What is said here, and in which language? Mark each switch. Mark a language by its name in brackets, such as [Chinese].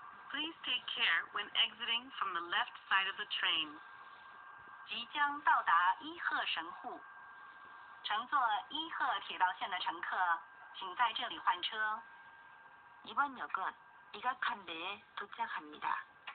[English] Please take care when exiting from the left side of the train. [Chinese] 即将到达伊贺神户，乘坐伊贺铁道线的乘客，请在这里换车。 [Korean] 이번역은이가칸베에도착합니다。